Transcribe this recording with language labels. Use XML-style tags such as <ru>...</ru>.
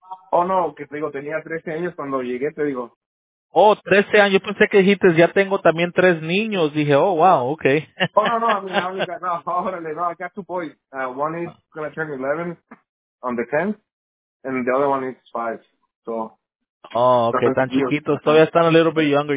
<es>Oh, no, que te digo, tenía 13 años cuando llegué, te digo. Oh, 13 años, pensé que dijiste, ya tengo también 3 niños. Dije, oh, wow, okay. Oh, no, a mí la única, no, órale, no,</es> <en>I got 2 boys. One is going to turn 11 on the 10th, and the other one is 5, so.</en> <es>Oh, okay, tan chiquitos, todavía están</es> <en>a little bit younger.</en>